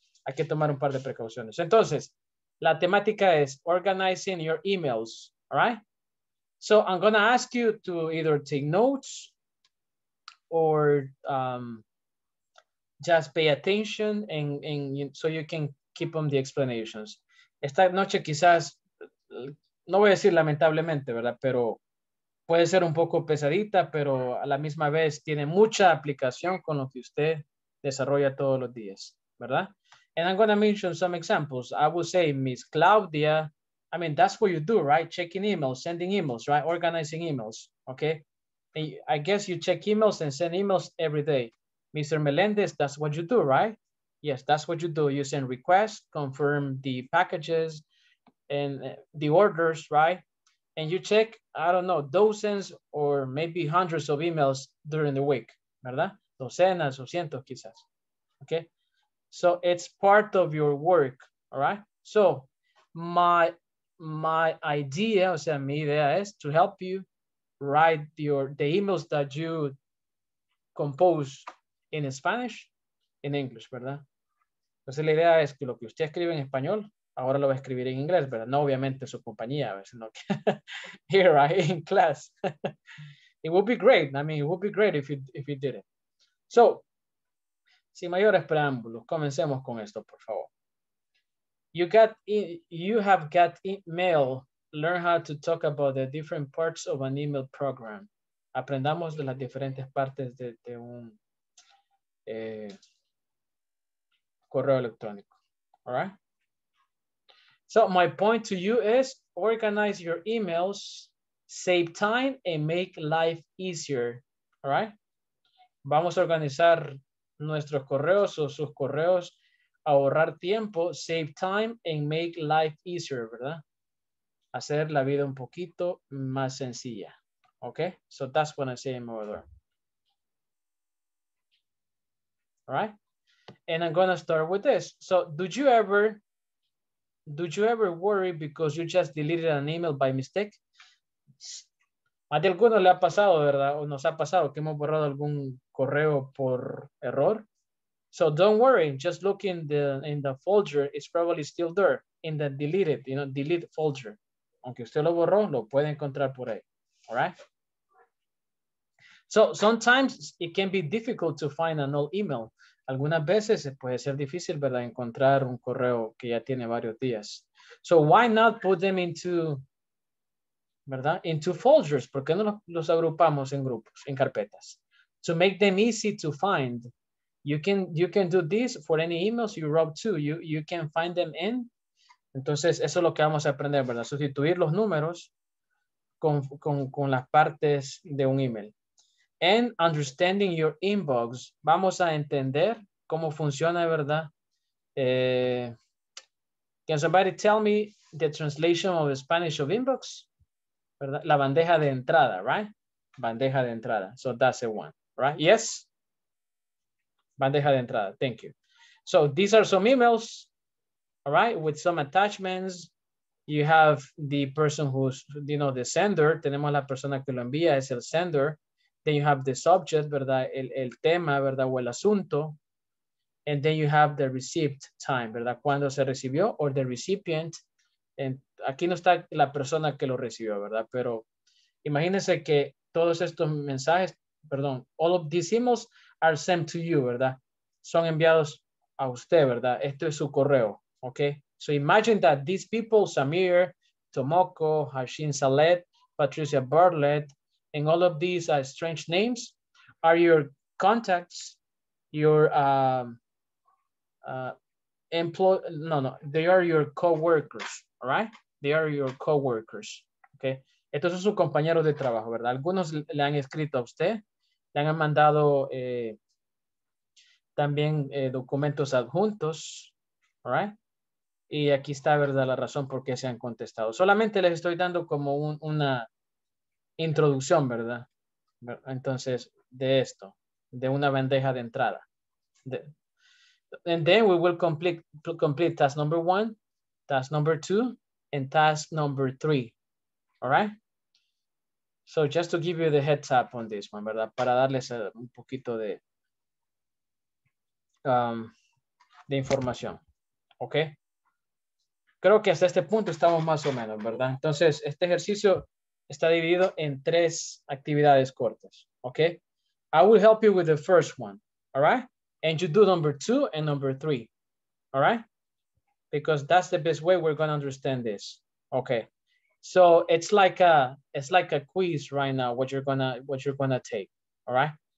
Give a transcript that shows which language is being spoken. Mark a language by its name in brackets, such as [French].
[Spanish] Hay que tomar un par de precauciones. Entonces, la temática es [English] organizing your emails, all right? So I'm gonna ask you to either take notes or just pay attention and so you can keep on the explanations. [Spanish] Esta noche quizás, no voy a decir lamentablemente, ¿verdad? Pero puede ser un poco pesadita, pero a la misma vez tiene mucha aplicación con lo que usted desarrolla todos los días, ¿verdad? [English] And I'm going to mention some examples. I would say, Miss Claudia, I mean, that's what you do, right? Checking emails, sending emails, right? Organizing emails, okay? And I guess you check emails and send emails every day. Mr. Melendez, that's what you do, right? Yes, that's what you do. You send requests, confirm the packages and the orders, right? And you check, I don't know, dozens or maybe hundreds of emails during the week, [Spanish] ¿verdad? Docenas o cientos quizás, [English] okay? So it's part of your work, all right? So my idea, [Spanish] o sea, mi idea es [English] to help you write the emails that you compose in Spanish, in English, [Spanish] ¿verdad? Entonces la idea es que lo que usted escribe en español, ahora lo va a escribir en inglés, ¿verdad? No obviamente su compañía, sino que [English] here, right, [Spanish] in class. [English] It would be great. I mean, it would be great if you did it. [Spanish] So, sin mayores preámbulos, comencemos con esto, por favor. [English] You have got email. Learn how to talk about the different parts of an email program. [Spanish] Aprendamos de las diferentes partes de un correo electrónico. [English] All right? So my point to you is organize your emails, save time, and make life easier. All right? [Spanish] Vamos a organizar nuestros correos o sus correos ahorrar tiempo, [English] save time, and make life easier, [Spanish] ¿verdad? Hacer la vida un poquito más sencilla. [English] Okay, so that's what I say in my order. Right? And I'm gonna start with this. So did you ever worry because you just deleted an email by mistake? [Spanish] A de alguno le ha pasado, ¿verdad? O nos ha pasado que hemos borrado algún correo por error. [English] So don't worry, just look in the folder, it's probably still there in the deleted, you know, delete folder. [Spanish] Aunque usted lo borró, lo puede encontrar por ahí. [English] All right? So sometimes it can be difficult to find an old email. [Spanish] Algunas veces puede ser difícil, ¿verdad? Encontrar un correo que ya tiene varios días. [English] So why not put them into, [Spanish] ¿verdad? [English] Into folders. [Spanish] ¿Por qué no los agrupamos en grupos, en carpetas? [English] To make them easy to find. You can do this for any emails you wrote to. You can find them in. [Spanish] Entonces, eso es lo que vamos a aprender, ¿verdad? Sustituir los números con las partes de un email. [English] And understanding your inbox, [Spanish] vamos a entender cómo funciona, ¿verdad? [English] Can somebody tell me the translation of Spanish of inbox? [Spanish] ¿Verdad? La bandeja de entrada, [English] right? [Spanish] Bandeja de entrada, [English] so that's the one, right? Yes? Bandeja de entrada, thank you. So these are some emails, all right? With some attachments. You have the person who's, you know, the sender. [Spanish] Tenemos la persona que lo envía, es el sender. [English] Then you have the subject, [Spanish] ¿verdad? El tema, ¿verdad? O el asunto. [English] And then you have the received time, [Spanish] ¿verdad? Cuando se recibió, [English] or the recipient. And [Spanish] aquí no está la persona que lo recibió, ¿verdad? Pero imagínense que todos estos mensajes, perdón, [English] all of these emails are sent to you, [Spanish] ¿verdad? Son enviados a usted, ¿verdad? Esto es su correo, ¿ok? [English] So imagine that these people, Samir, Tomoko, Hashin Salet, Patricia Bartlett, and all of these strange names are your contacts, your they are your co-workers, all right? They are your co-workers, okay? [Spanish] Estos son sus compañeros de trabajo, ¿verdad? Algunos le han escrito a usted, le han mandado también documentos adjuntos, [English] all right? [Spanish] Y aquí está, ¿verdad? La razón por qué se han contestado. Solamente les estoy dando como una introducción, ¿verdad? Entonces, de esto, de una bandeja de entrada. [English] And then we will complete task number one, task number two, and task number three. All right? So just to give you the heads up on this one, [Spanish] ¿verdad? Para darles un poquito de información. [English] Okay? [Spanish] Creo que hasta este punto estamos más o menos, ¿verdad? Entonces, este ejercicio está dividido en tres actividades cortas, [English] okay? I will help you with the first one, all right? And you do number two and number three, all right? Because that's the best way we're gonna understand this, okay? So it's like a quiz right now, what you're gonna take, all right?